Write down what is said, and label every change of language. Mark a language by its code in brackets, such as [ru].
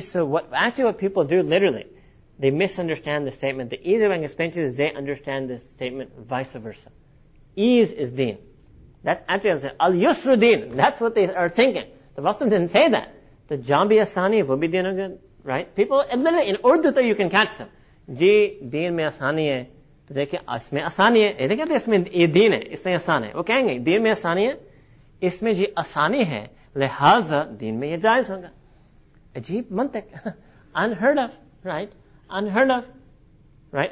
[en] So what people do literally, they misunderstand the statement. The easy way I can explain to you is they understand this statement vice versa. Ease is deen. That's actually al-yusru deen. That's what they are thinking. The Prophet didn't say that. The jambi asani vubi deen again, right? People, and literally in Urdu you can catch them. [ur] جی دین میں آسانی ہے. تو دیکھے، اس میں آسانی ہے. دیکھے، اس میں دین ہے. اس میں آسانی ہے. وہ کہینگے، دین میں آسانی ہے. اس میں جی آسانی ہے. لہذا دین میں یہ جائز ہونگا. عجیب منطق. [en] Unheard of, right? Unheard of, right?